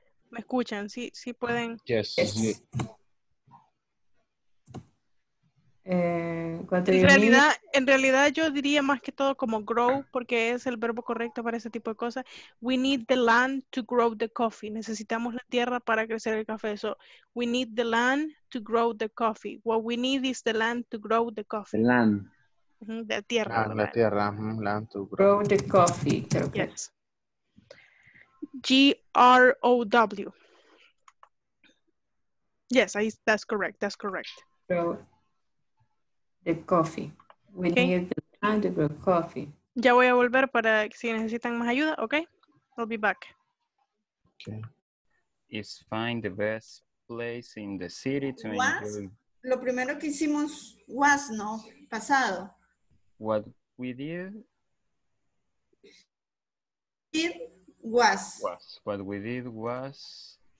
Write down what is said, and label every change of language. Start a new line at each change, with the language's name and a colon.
Spanish: ¿Me escuchan? Sí pueden.
English: Yes. Yes.
Spanish: En realidad yo diría más que todo como grow, porque es el verbo correcto para ese tipo de cosas.
English: We need the land to grow the coffee.
Spanish: Necesitamos la tierra para crecer el café.
English: So, we need the land to grow the coffee. What we need is the land to grow the coffee. The land.
Spanish: De tierra. La tierra.
English: Land to grow the coffee. Yes. G-R-O-W. Yes, that's correct. The coffee. We okay. need the land to grow coffee.
Spanish: Ya voy a volver para si necesitan más ayuda, ok?
English: I'll be back. Okay. It's fine, the best place in the city to
Spanish: enjoy. Was? Lo primero que hicimos was, ¿no? Pasado.
English: What we did? It was. What we did was.